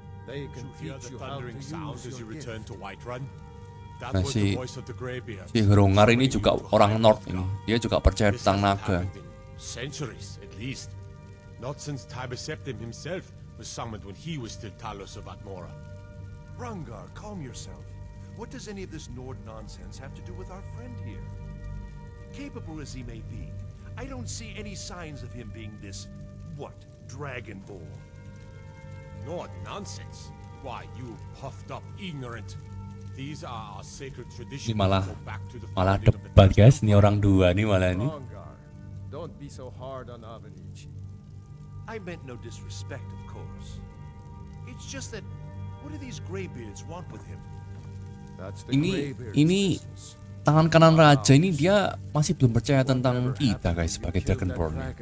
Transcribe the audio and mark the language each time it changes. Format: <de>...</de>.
<en>They can teach you how to sound as you return to Whiterun. That was the voice of the Greybeard.</en> <id>Si Hrungar ini juga orang North ini. Dia juga percaya tentang naga.</id> <en>Centuries at least. Not since Tiber Septim himself was summoned when he was still Talos of Atmora. Rungar, calm yourself. What does any of this Nord nonsense have to do with our friend here? Capable as he may be, I don't see any signs of him being this what? Dragonborn. Nord nonsense. Why you puffed up ignorant? These are our sacred traditions.</en> <id>Malah debat guys, ini orang dua nih malah ini.</id> <en>Don't be so hard on Avenichi. I meant no disrespect of course. It's just that what do these Greybeards want with him? That's the Greybeard.</en> <id>Ini business. Tangan kanan raja ini dia masih belum percaya tentang kita guys sebagai Dragonborn.</id>